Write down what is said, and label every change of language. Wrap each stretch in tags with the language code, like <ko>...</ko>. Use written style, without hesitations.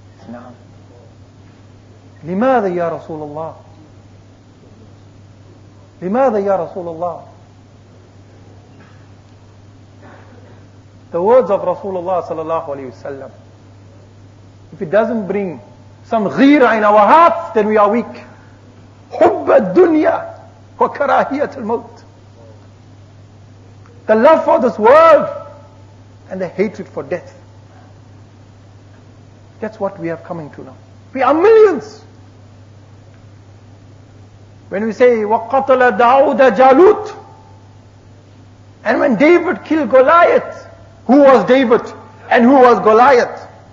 <ar>Naam. Limadha ya Rasulullah? لماذا يا رسول الله?</ar> <en>The words of Rasulullah sallallahu alayhi wasallam. If it doesn't bring some ghira in our hearts, then we are weak.</en> <ar>حب الدنيا وكراهية الموت.</ar> <en>The love for this world and the hatred for death. That's what we are coming to now. We are millions. When we say</en> <ar>وَقَتَلَ دَعُودَ جَالُوتْ,</ar> <en>and when David killed Goliath, who was David and who was Goliath?</en>